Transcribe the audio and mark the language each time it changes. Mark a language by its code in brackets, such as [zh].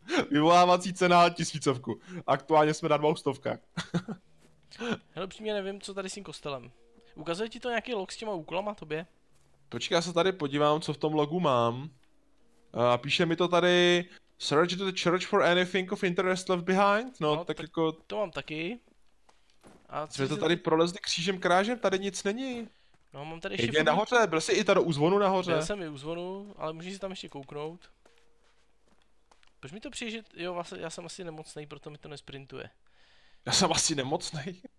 [cs] Vyvolávací cena 1000. Aktuálně jsme na 200. Hele, přímě nevím, co tady s tím kostelem. Ukazuje ti to nějaký log s těma úkolama tobě? Počkej, já se tady podívám, co v tom logu mám. A píše mi to tady... [en] Search the church for anything of interest left behind? [cs] No, tak jako... To mám taky. A co jsme to tady prolezli křížem krážem, tady nic není. No, mám tady ještě... Jde nahoře, byl jsi i tady u zvonu nahoře. Byl jsem i u zvonu, ale můžeš si tam ještě kouknout. Proč mi to přijde, že... Jo, vlastně, já jsem asi nemocnej, proto mi to nesprintuje. Já jsem asi nemocnej.